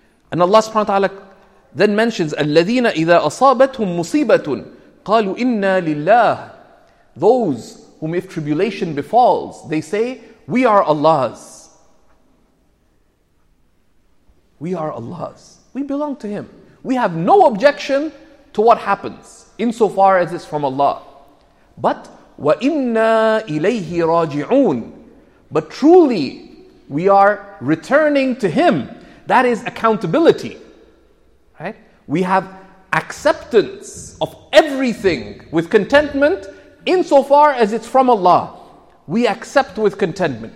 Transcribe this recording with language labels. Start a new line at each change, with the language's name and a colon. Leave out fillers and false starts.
English: And Allah subhanahu wa ta'ala then mentions,
Arabic: الَّذِينَ إِذَا أَصَابَتْهُمْ مُصِيبَةٌ قَالُوا إِنَّا لِلَّهِ.
English: Those whom if tribulation befalls, they say, we are Allah's. We are Allah's. We belong to Him. We have no objection to what happens, insofar as it's from Allah.
Arabic: But وَإِنَّا إِلَيْهِ رَاجِعُونَ.
English: But truly, we are returning to Him. That is accountability. Right? We have acceptance of everything with contentment, insofar as it's from Allah. We accept with contentment.